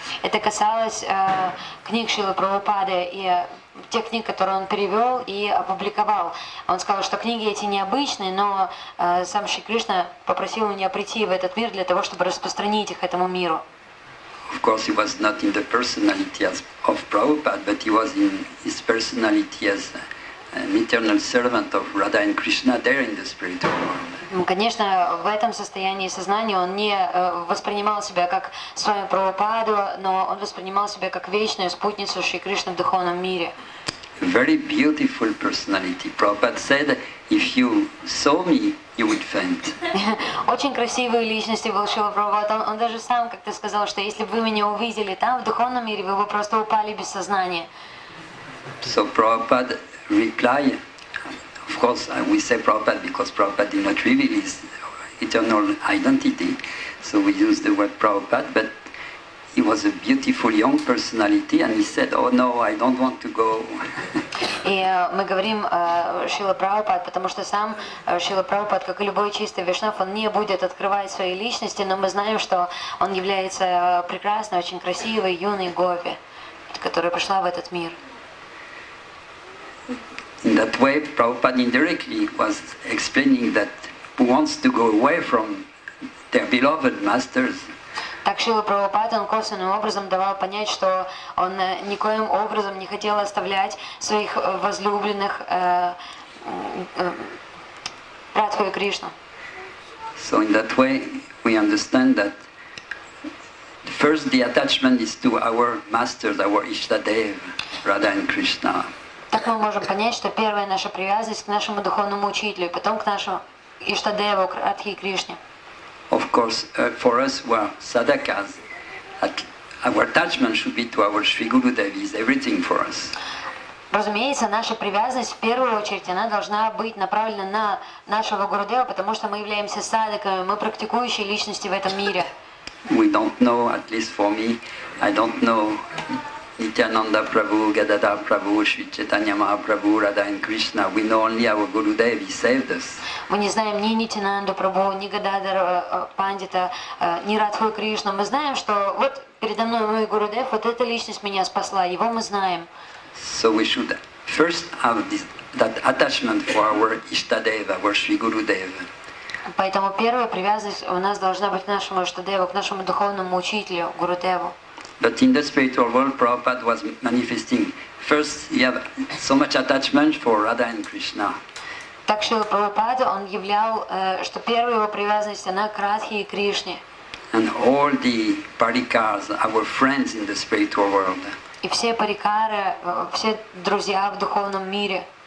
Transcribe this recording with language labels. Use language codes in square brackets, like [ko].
[ru] Это касалось книг Шрилы Прабхупады и тех книг, которые он перевел и опубликовал. Он сказал, что книги эти необычные, но сам Шри Кришна попросил меня прийти в этот мир для того, чтобы распространить их этому миру. [en] Of course, he was not in the personality of Prabhupada, but he was in his personality as an eternal servant of Radha and Krishna there in the spiritual world. [ru] Конечно, в этом состоянии сознания он не воспринимал себя как Свами Прабхупаду, но он воспринимал себя как вечную спутницу Шри Кришны в духовном мире. [en] Very beautiful personality. Prabhupada said, if you saw me, you would faint. [ru] Очень красивые личности был Шрила Прабхупада. Он даже сам как-то сказал, что если бы вы меня увидели там, в духовном мире, вы бы просто упали без сознания. [en] So Prabhupada replied, of course, we say Prabhupada because Prabhupada did not reveal his eternal identity, so we use the word Prabhupada, but he was a beautiful young personality, and he said, "Oh no, I don't want to go." [ru] И мы говорим Шрила Прабхупад, потому что сам Шрила Прабхупад, как и любой чистый вишнав, он не будет открывать свои личности, но мы знаем, что он является прекрасной, очень красивой, юной гопи, которая пришла в этот мир. [en] In that way, Prabhupada indirectly was explaining that who wants to go away from their beloved masters. [ru] Так Шрила Прабхупада, он косвенным образом давал понять, что он никоим образом не хотел оставлять своих возлюбленных Радху и Кришну. [en] So in that way, we understand that first the attachment is to our masters, our Ishtadev, Radha and Krishna. [ru] Так мы можем понять, что первая наша привязанность к нашему духовному учителю, потом к нашему Иштадеву, к Радхе и Кришне. [en] Of course, for us, we are sadhakas. Our attachment should be to our Sri Guru Dev. He is everything for us. [ru] Разумеется, наша привязанность в первую очередь она должна быть направлена на нашего Гурудева, потому что мы являемся садаками, мы практикующие личности в этом мире. [en] We don't know, at least for me, I don't know Nityananda Prabhu, Gadadhar Prabhu, Sri Chaitanya Mahaprabhu, Radha and Krishna. We know only our Gurudev, he saved us. [ru] Мы не знаем ни Нитянанду Прабху, ни Гададхара Пандита, ни Радху Кришну. Мы знаем, что вот передо мной мой Гурудев, вот эта личность меня спасла, его мы знаем. [en] So we should first have this, that attachment for our Ishtadeva, our Sri Gurudev. [ru] Поэтому первая привязанность у нас должна быть к нашему Ishtadeva, к нашему духовному учителю, Гурудеву. [en] But in the spiritual world, Prabhupada was manifesting. First, he had so much attachment for Radha and Krishna. [ru] Так что Прабхупада, он являл, что первая его привязанность, она к Радхе и Кришне. [en] And all the парикарс, our friends in the spiritual world. [ru] И все парикары, все друзья в духовном мире.